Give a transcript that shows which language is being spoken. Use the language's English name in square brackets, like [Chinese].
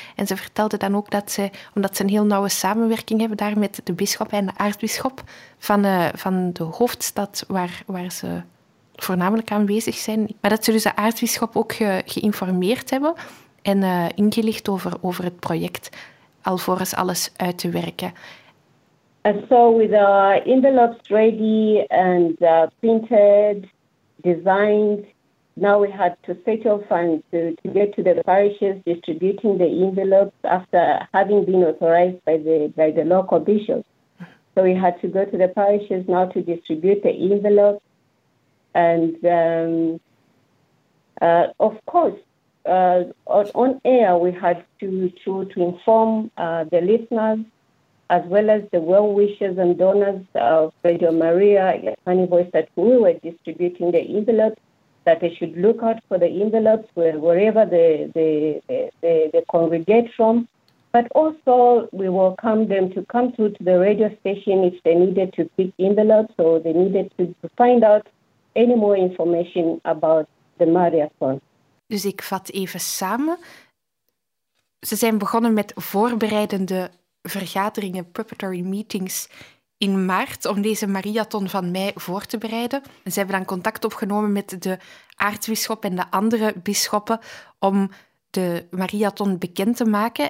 [Dutch] En ze vertelde dan ook dat ze, omdat ze een heel nauwe samenwerking hebben daar met de bisschop en de aartsbisschop van de hoofdstad waar ze voornamelijk aanwezig zijn. Maar dat ze dus de aartsbisschop ook geïnformeerd hebben en ingelicht over het project, alvorens alles uit te werken. [English] So with our envelopes ready and printed, designed, now we had to set off and to get to the parishes, distributing the envelopes after having been authorized by the local bishops. So we had to go to the parishes now to distribute the envelopes. And of course, on air, we had to inform the listeners, as well as the well-wishers and donors of Radio Maria, Funny Voice, that we were distributing the envelopes, that they should look out for the envelopes wherever they congregate from. But also we welcome them to come to the radio station if they needed to pick envelopes or they needed to find out any more information about the marathon. [Dutch] Dus ik vat even samen. Ze zijn begonnen met voorbereidende vergaderingen, [English] preparatory meetings, [Dutch] in maart om deze marathon van mei voor te bereiden. Ze hebben dan contact opgenomen met de aartsbisschop en de andere bisschoppen om de marathon bekend te maken.